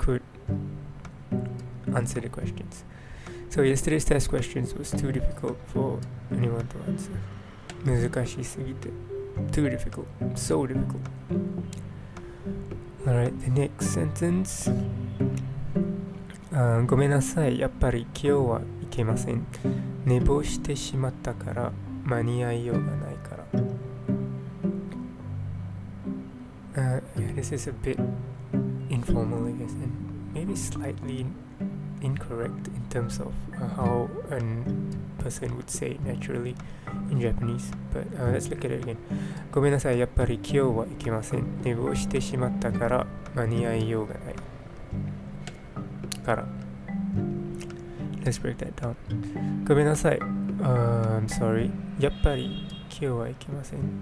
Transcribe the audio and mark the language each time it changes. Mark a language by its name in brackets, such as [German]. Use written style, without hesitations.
[English] Could answer the questions. So yesterday's test questions was too difficult for anyone to answer. [Japanese] 難しすぎて。 [English] Too difficult. So difficult. Alright, the next sentence. [Japanese] ごめんなさい。やっぱり今日はいけません。寝坊してしまったから。間に合いようがないから。 [English] Yeah, this is a bit informal, I guess, and maybe slightly incorrect in terms of how a person would say it naturally in Japanese. But let's look at it again. [Japanese] ごめんなさい、やっぱり今日は行けません。寝坊してしまったから間に合いようがないから。 [English] Let's break that down. [Japanese] ごめんなさい。 [English] I'm sorry. [Japanese] やっぱり今日は行けません。